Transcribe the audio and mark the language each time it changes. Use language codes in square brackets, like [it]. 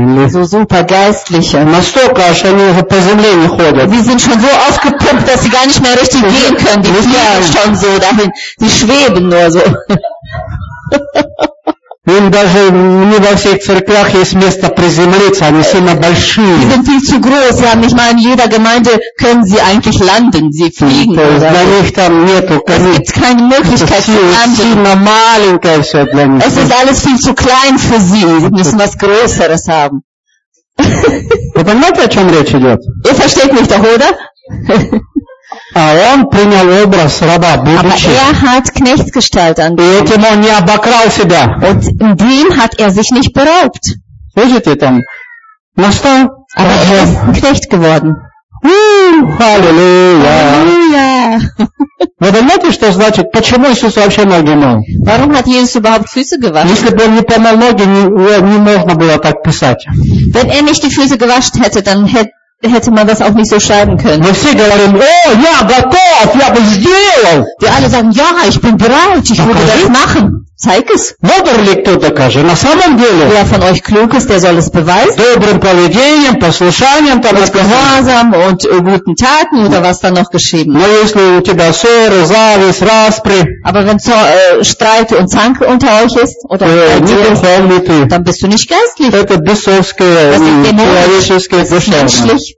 [de] So super geistlicher. Die sind schon so aufgepumpt, dass sie gar nicht mehr richtig gehen können. Die fliegen schon so dahin. Sie schweben nur so. [ru] Им даже не во всех церквях есть место приземлиться, они сильно большие. [de] Sie sind viel zu groß. Ja, nicht mal in jeder Gemeinde können sie eigentlich landen. Sie fliegen. [ru] Для них там нету. [de] Es gibt keine Möglichkeit zu landen. [ru] Сильно маленькое все для них. [de] Es ist alles viel zu klein für sie. Sie müssen was Größeres haben. [ru] Вы понимаете, о чем речь идет? [de] Ihr versteht mich doch, oder? [ru] А он принял образ раба будущего. [de] Aber er hat Knechtsgestalt angenommen. [ru] И этим он не обокрал себя. [de] Und in dem hat sich nicht beraubt. [ru] Слышите там? Ну что? [de] Aber er ist ein Knecht geworden. Halleluja. Halleluja. [ru] Вы понимаете, что значит, почему Иисус вообще ноги мыл? [de] Warum hat Jesus überhaupt Füße gewaschen? [ru] Если бы он не помыл ноги, не можно было так писать. [de] Wenn er nicht die Füße gewaschen hätte, dann hätte man das auch nicht so schreiben können. Wir [ru] все говорим, [de] oh, ja, [ru] готов, я бы сделал. [de] Wir alle sagen, ja, ich bin bereit, ich würde das machen. Zeig es. [ru] Мудрый кто докажет, на самом деле. [de] Wer von euch klug ist, der soll es beweisen. [ru] Добрым поведением, послушанием, там, [de] mit Gehorsam und guten Taten, oder was da noch geschrieben. [ru] Но если у тебя ссоры, зависть, распри. [de] Aber wenn so Streit und Zank unter euch ist, oder bei dir, dann bist du nicht geistlich. [ru] Это бесовское, человеческое, душевное.